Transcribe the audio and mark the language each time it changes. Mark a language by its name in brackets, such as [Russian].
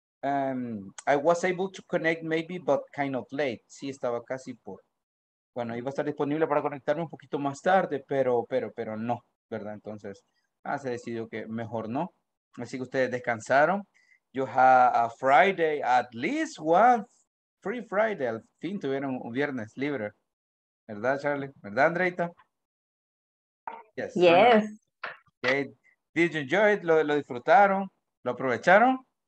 [English] I was able to connect maybe, but kind of late. [Spanish] Sí, estaba casi por... Bueno, iba a estar disponible para conectarme un poquito más tarde, pero no, ¿verdad? Entonces, se decidió que mejor no. Así que ustedes descansaron. [English] You have a Friday, at least one free Friday. [Spanish] Al fin tuvieron un viernes libre. ¿Verdad, Charlie? ¿Verdad, Andreita? [English] Yes. Yes. Okay. Did you enjoy it? [Spanish] ¿Lo disfrutaron? ¿Lo aprovecharon?